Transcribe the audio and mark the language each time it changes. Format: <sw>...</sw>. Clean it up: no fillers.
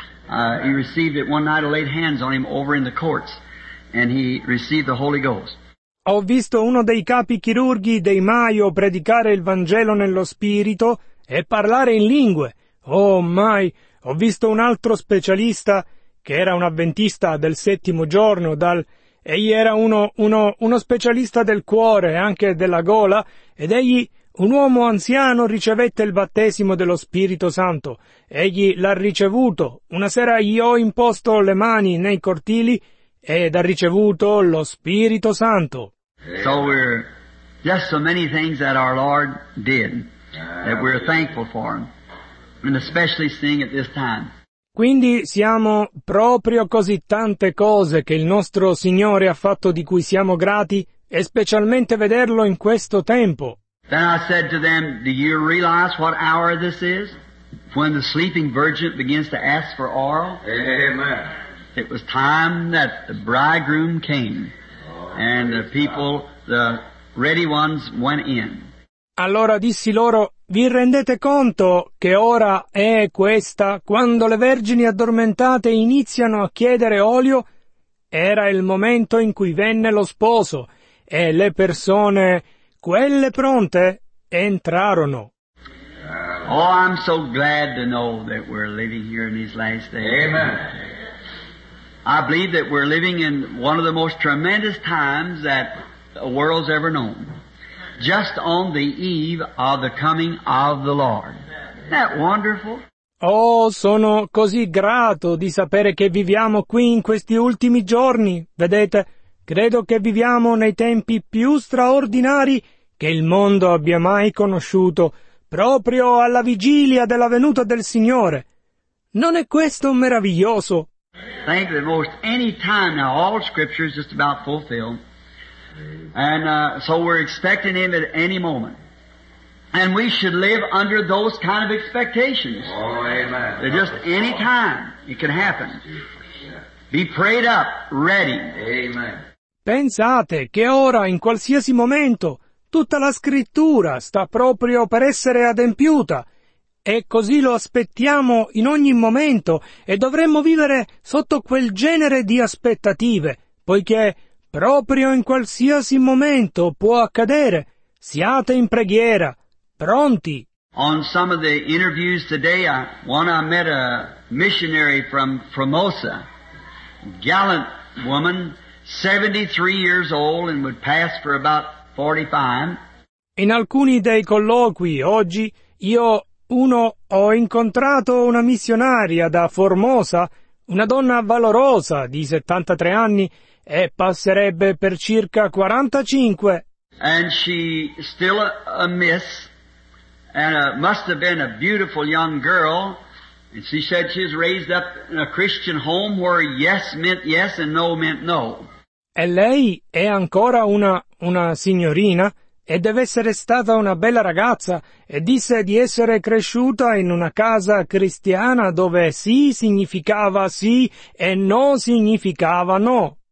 <en>He received it one night, I laid hands on him over in the courts, and he received the Holy Ghost.</en> <it>Ho visto uno dei capi chirurghi dei Mayo predicare il Vangelo nello spirito e parlare in lingue.</it> <en>Oh my,</en> <it>ho visto un altro specialista che era un avventista del settimo giorno, egli era uno specialista del cuore e anche della gola, ed egli, un uomo anziano, ricevette il battesimo dello Spirito Santo. Egli l'ha ricevuto. Una sera gli ho imposto le mani nei cortili ed ha ricevuto lo Spirito Santo.</it> <en>So we're just so many things that our Lord did that we're thankful for, and especially seeing at this time.</en> <it>Quindi siamo proprio così tante cose che il nostro Signore ha fatto di cui siamo grati, e specialmente vederlo in questo tempo.</it> <en>Then I said to them, do you realize what hour this is? When the sleeping virgin begins to ask for oil? Amen. It was time that the bridegroom came, and the people, the ready ones, went in.</en> <it>Allora dissi loro, vi rendete conto che ora è questa, quando le vergini addormentate iniziano a chiedere olio? Era il momento in cui venne lo sposo, e le persone, quelle pronte, entrarono.</it> <en>Oh, I'm so glad to know that we're living here in these last days. Amen. I believe that we're living in one of the most tremendous times that the world's ever known. Just on the eve of the coming of the Lord. Isn't that wonderful?</en> <it>Oh, sono così grato di sapere che viviamo qui in questi ultimi giorni. Vedete, credo che viviamo nei tempi più straordinari che il mondo abbia mai conosciuto, proprio alla vigilia della venuta del Signore. Non è questo meraviglioso?</it> <en>Think that most any time now all scripture is just about fulfilled. And so we're expecting him at any moment. And we should live under those kind of expectations. Oh, amen. Just any time it can happen. Be prayed up, ready. Amen.</en> <it>Pensate che ora, in qualsiasi momento, tutta la scrittura sta proprio per essere adempiuta. E così lo aspettiamo in ogni momento, e dovremmo vivere sotto quel genere di aspettative, poiché proprio in qualsiasi momento può accadere. Siate in preghiera, pronti.</it> <en>On some of the interviews today, I met a missionary from Formosa, gallant woman, 73 years old and would pass for about 45.</en> <it>In alcuni dei colloqui oggi, ho incontrato una missionaria da Formosa, una donna valorosa di 73 anni, e passerebbe per circa 45.</it> <en>And she still a miss, and must have been a beautiful young girl. And she said she was raised up in a Christian home where yes meant yes and no meant no.</en> <it>E lei è ancora una signorina e deve essere stata una bella ragazza e disse di essere cresciuta in una casa cristiana dove sì significava sì e no significava no.</it>